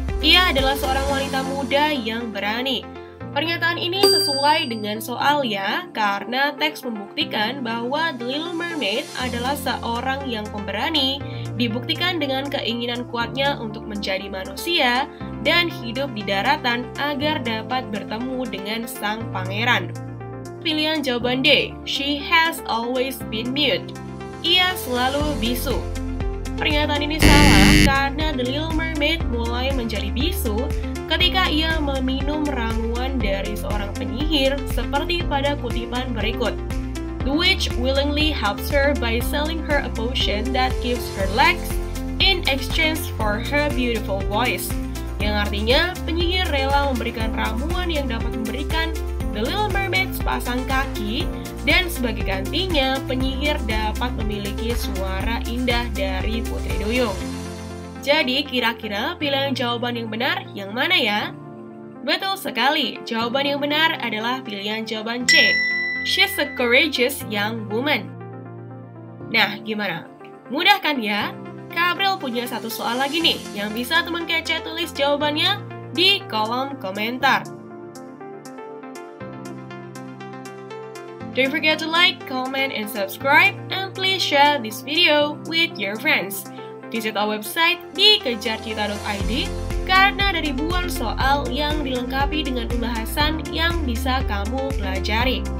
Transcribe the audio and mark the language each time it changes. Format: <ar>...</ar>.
<id>Ia adalah seorang wanita muda yang berani. Pernyataan ini sesuai dengan soalnya karena teks membuktikan bahwa The Little Mermaid adalah seorang yang pemberani, dibuktikan dengan keinginan kuatnya untuk menjadi manusia dan hidup di daratan agar dapat bertemu dengan sang pangeran. Pilihan jawaban D,</id> <en>she has always been mute.</en> <id>Ia selalu bisu. Pernyataan ini salah karena The Little Mermaid mulai menjadi bisu ketika ia meminum ramuan dari seorang penyihir seperti pada kutipan berikut.</id> <en>The witch willingly helps her by selling her a potion that gives her legs in exchange for her beautiful voice.</en> <id>Yang artinya, penyihir rela memberikan ramuan yang dapat memberikan The Little Mermaid sepasang kaki, dan sebagai gantinya, penyihir dapat memiliki suara indah dari Putri Duyung. Jadi, kira-kira pilihan jawaban yang benar yang mana ya? Betul sekali, jawaban yang benar adalah pilihan jawaban C.</id> <en>She's a courageous young woman.</en> <id>Nah, gimana? Mudah kan ya? Kak April punya satu soal lagi nih, yang bisa teman kece tulis jawabannya di kolom komentar.</id> <en>Don't forget to like, comment, and subscribe, and please share this video with your friends. Visit our website</en> <id>di kejarcita.id, karena ada ribuan soal yang dilengkapi dengan pembahasan yang bisa kamu pelajari.</id>